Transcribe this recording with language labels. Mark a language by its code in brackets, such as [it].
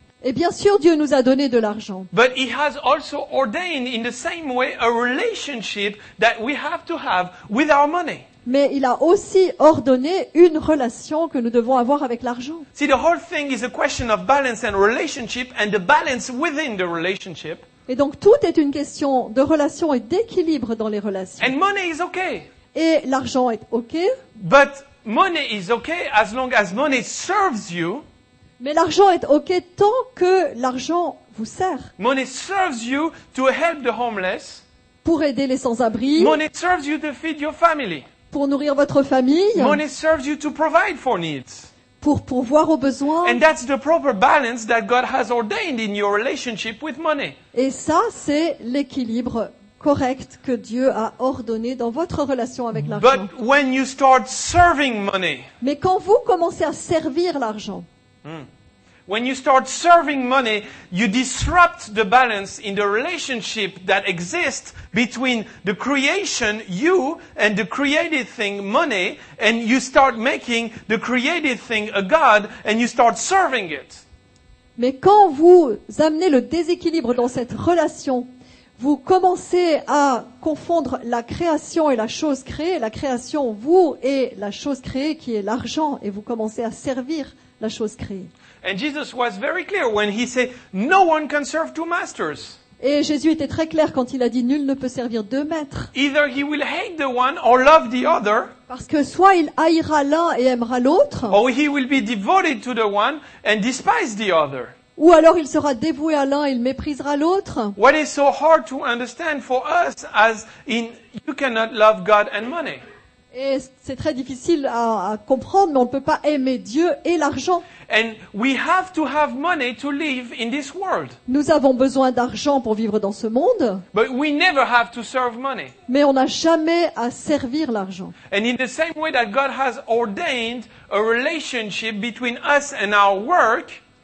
[fr] Et bien sûr, Dieu nous a donné de l'argent. [en] But He has also ordained in the same way a relationship that we have to have with our money. [fr] Mais il a aussi ordonné une relation que nous devons avoir avec l'argent. [en] See, the whole thing is a question of balance and relationship and the balance within the relationship. [fr] Et donc tout est une question de relation et d'équilibre dans les relations. [en] And money is okay. [fr] Et l'argent est OK. [en] But money is okay as long as money serves you. [fr] Mais l'argent est OK tant que l'argent vous sert. [en] Money serves you to help the homeless. [fr] Pour aider les sans-abri. [en] Money serves you to feed your family. [fr] Pour nourrir votre famille. [en] Money serves you to provide for needs. [fr] Pour pourvoir aux besoins. [en] And that's the proper balance that God has ordained in your relationship with money. [fr] Et ça, c'est l'équilibre correct que Dieu a ordonné dans votre relation avec l'argent. [en] But when you start serving money, [fr] mais quand vous commencez à servir l'argent, [en] when you start serving money, you disrupt the balance in the relationship that exists between the creation, you, and the created thing, money, and you start making the created thing a god, and you start serving it. [fr] Mais quand vous amenez le déséquilibre dans cette relation, vous commencez à confondre la création et la chose créée, la création, vous, et la chose créée qui est l'argent, et vous commencez à servir la chose créée. [en] And Jesus was very clear when he said, no one can serve two masters. [fr] Et Jésus était très clair quand il a dit, nul ne peut servir deux maîtres. [en] Either he will hate the one or love the other. [fr] Parce que soit il haïra l'un et aimera l'autre. [en] Or he will be devoted to the one and despise the other. [fr] Ou alors il sera dévoué à l'un et il méprisera l'autre. [en] What is so hard to understand for us as in you cannot love God and money. [fr] Et c'est très difficile à comprendre, mais on ne peut pas aimer Dieu et l'argent. [en] And we have to have money to live in this world. [fr] Nous avons besoin d'argent pour vivre dans ce monde. [en] But we never have to serve money. [fr] Mais on n'a jamais à servir l'argent. [en] And in the same way that God has ordained a relationship between us and our work,